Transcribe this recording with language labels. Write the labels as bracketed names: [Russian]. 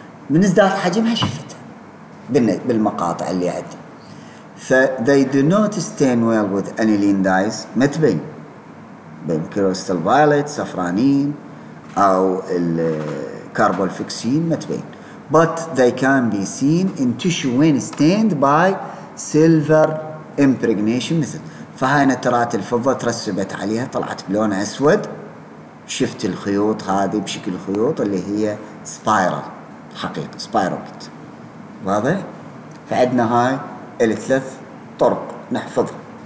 [Arabic] من ازداد حجمها شفته بالمقاطع اللي عندي. ف [English] they do not stain well with aniline dyes، [Arabic] ما تبين بين كريستال فايوليت سفرانين أو الكاربولفوكسين، ما تبين. [English] But they can be seen in tissue when stained by silver impregnation method. [Arabic] فهاي نترات الفضة ترسبت عليها طلعت بلون أسود، شفت الخيوط هذه بشكل خيوط اللي هي spiral، حقيقة spiral. واضح؟ فعندنا هاي الثلاث طرق نحفظها.